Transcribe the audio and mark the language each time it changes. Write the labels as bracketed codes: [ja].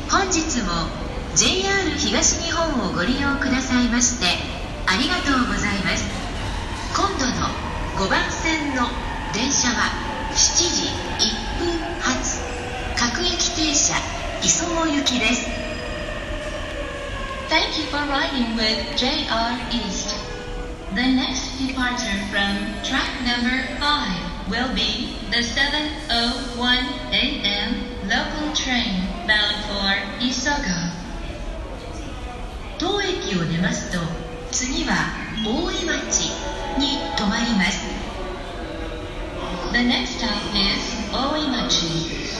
[ja] 日も JR 東日本をご利用くださいましてありがとうございます。今度の5番線の電車は7時1分発各駅停車磯子行きです。 [en] Thank you for riding with JR East. The next departure from track number 5 will be the 7:01 a.m. local train bound for 磯子。 [ja] 当駅を出ますと次は大井町に止まります。 [en] The next stop is 大井町。